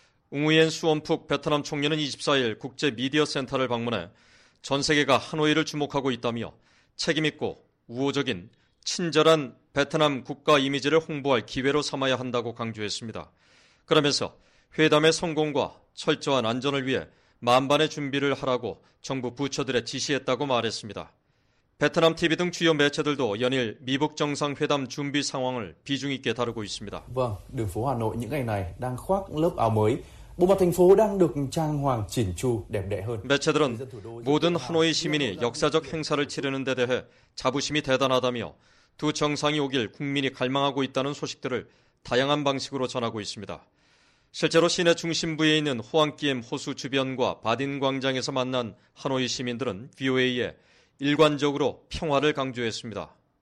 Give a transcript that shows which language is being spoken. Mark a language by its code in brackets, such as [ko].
[ko] 웅우옌 수원푹 베트남 총리는 24일 국제 미디어 센터를 방문해 전 세계가 하노이를 주목하고 있다며 책임 있고 우호적인 친절한 베트남 국가 이미지를 홍보할 기회로 삼아야 한다고 강조했습니다. 그러면서 회담의 성공과 철저한 안전을 위해 만반의 준비를 하라고 정부 부처들에 지시했다고 말했습니다. 베트남 TV 등 주요 매체들도 연일 미북 정상회담 준비 상황을 비중 있게 다루고 있습니다. [vi] Vâng, đường phố Hà Nội những ngày này đang khoác lớp áo mới. Bộ mặt thành phố đang được trang hoàng chỉnh chu, đẹp đẽ hơn. [ko] 매체들은 모든 하노이 시민이 역사적 행사를 치르는 데 대해 자부심이 대단하다며 두 정상이 오길 국민이 갈망하고 있다는 소식들을 다양한 방식으로 전하고 있습니다. 실제로 시내 중심부에 있는 호앙끼엠 호수 주변과 바딘 광장에서 만난 하노이 시민들은 VOA에 일관적으로 평화를 강조했습니다.